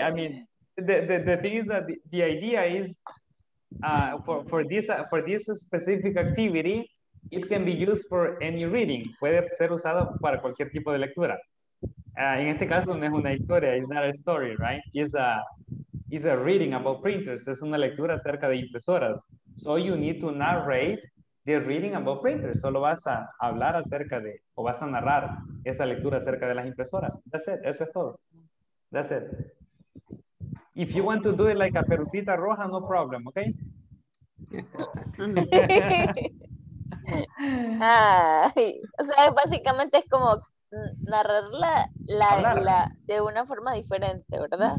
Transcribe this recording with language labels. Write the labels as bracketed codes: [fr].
[en] I mean, the thing is that the idea is for this specific activity, it can be used for any reading. [es] Puede ser usado para cualquier tipo de lectura. En este caso no es una historia. [en] It's not a story, right? It's a reading about printers. [es] Es una lectura acerca de impresoras. [en] So you need to narrate the reading about printers. [es] Solo vas a hablar acerca de, o vas a narrar esa lectura acerca de las impresoras. [en] That's it. [es] Eso es todo. [en] That's it. If you want to do it like a Perucita Roja, no problem, okay? [es] Ay, o sea, básicamente es como narrar la de una forma diferente, ¿verdad?